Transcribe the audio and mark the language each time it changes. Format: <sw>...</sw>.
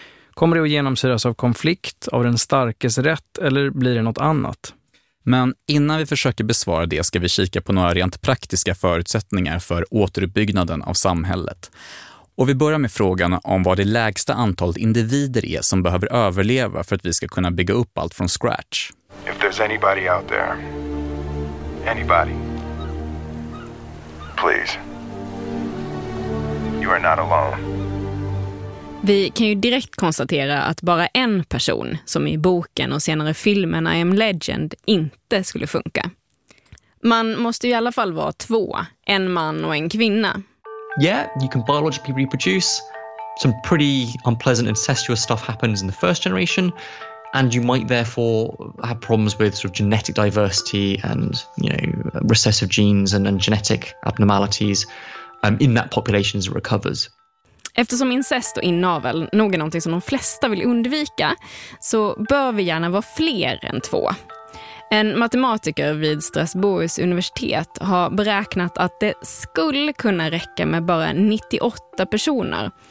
<sv>Kommer det att genomsyras av konflikt, av den starkes rätt eller blir det något annat? Men innan vi försöker besvara det ska vi kika på några rent praktiska förutsättningar för återuppbyggnaden av samhället. Och vi börjar med frågan om vad det lägsta antalet individer är som behöver överleva för att vi ska kunna bygga upp allt från scratch.</sv> <en>If there's anybody out there, anybody, please, you are not alone.</en> <sv>Vi kan ju direkt konstatera att bara en person, som i boken och senare filmen I Am Legend, inte skulle funka. Man måste i alla fall vara två, en man och en kvinna.</sv> <en>Yeah, you can biologically reproduce. Some pretty unpleasant incestuous stuff happens in the first generation. and you might therefore have problems with sort of genetic diversity and, you know, recessive genes and genetic abnormalities in that population as it recovers.</en> <sv>Eftersom incest och inavel nog är någonting som de flesta vill undvika, så bör vi gärna vara fler än två. En matematiker vid Strasbourgs universitet har beräknat att det skulle kunna räcka med bara 98 personer.</sv>